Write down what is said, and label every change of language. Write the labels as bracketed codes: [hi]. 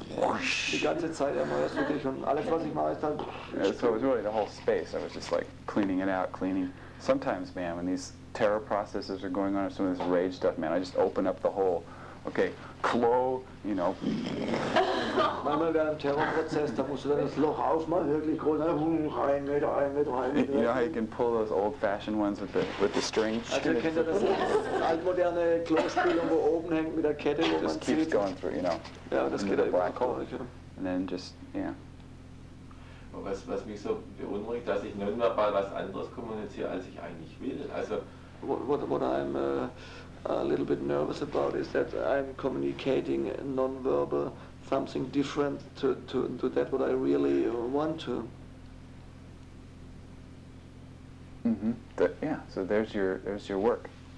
[de] Die ganze Zeit erneuerst du dich und alles, was ich mache, ist dann. [en] Yeah, so it was really the whole space. I was just like cleaning it out, cleaning. Sometimes, man, when these terror processes are going on or some of this rage stuff, man, I just open up the hole. Okay, you know. [de] Manchmal während dem Terrorprozess, da musst du dann das Loch aufmachen, wirklich groß, ein Meter. [en] You know how you can pull those old-fashioned ones with the string? [de] Also kennt ihr das altmoderne Klospülung, wo oben hängt mit der Kette, wo man zieht? [en] Just keeps going through, you know. [de] Ja, das geht immer durch. [en] And then just, yeah. [de] Was mich so beunruhigt, dass ich nun mal was anderes kommuniziere, als ich eigentlich will. Also [en] what I'm a little bit nervous about is that I'm communicating non-verbal something different to that what I really want to. Mm-hmm. So there's your work.